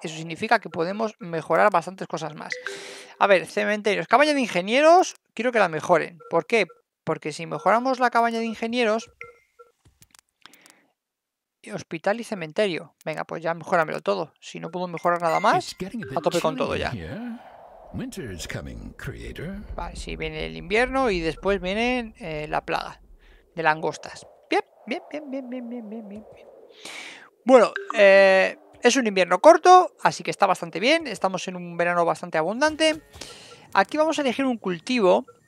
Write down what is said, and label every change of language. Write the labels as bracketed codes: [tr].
[es] Eso significa que podemos mejorar bastantes cosas más. A ver, cementerios. Cabaña de ingenieros, quiero que la mejoren. ¿Por qué? Porque si mejoramos la cabaña de ingenieros. Hospital y cementerio. Venga, pues ya mejóramelo todo. Si no puedo mejorar nada más, a tope con todo ya. [en] Winter's coming, creator. [es] Vale, sí, viene el invierno y después viene la plaga de langostas. Bien, bien, bien, bien, bien, bien, bien, bien. Bueno, es un invierno corto, así que está bastante bien. Estamos en un verano bastante abundante. Aquí vamos a elegir un cultivo.